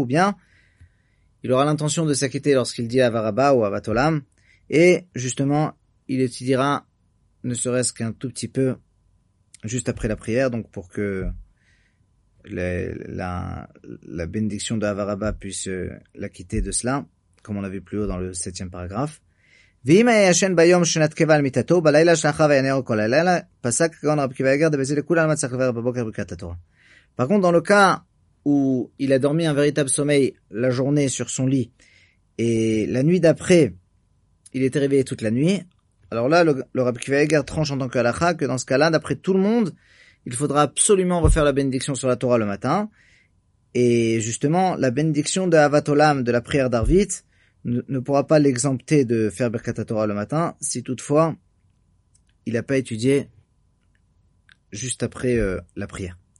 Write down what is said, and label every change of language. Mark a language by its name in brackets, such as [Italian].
[French] Ou bien, il aura l'intention de s'acquitter lorsqu'il dit Ahava Rabba ou Ahavat Olam, et justement, il étudiera ne serait-ce qu'un tout petit peu juste après la prière, donc pour que la bénédiction de Ahava Rabba puisse l'acquitter de cela, comme on l'a vu plus haut dans le 7e paragraphe. [Hebrew] ואם היה ישן ביום שנתקבע על מיטתו, בלילה שאחריו היה נר כל הלילה, פסק הגאון רבי עקיבא איגר דבזי לכולם צריך לברך בבוקר ברכת התורה. [French] Par contre, dans le cas où il a dormi un véritable sommeil la journée sur son lit, et la nuit d'après, il était réveillé toute la nuit, alors là, le Rabbi Kiva Eger tranche en tant que halakha que dans ce cas-là, d'après tout le monde, il faudra absolument refaire la bénédiction sur la Torah le matin, et justement, la bénédiction de Ahavat Olam, de la prière d'Arvit, ne pourra pas l'exempter de faire Birkat HaTorah le matin, si toutefois il n'a pas étudié juste après la prière.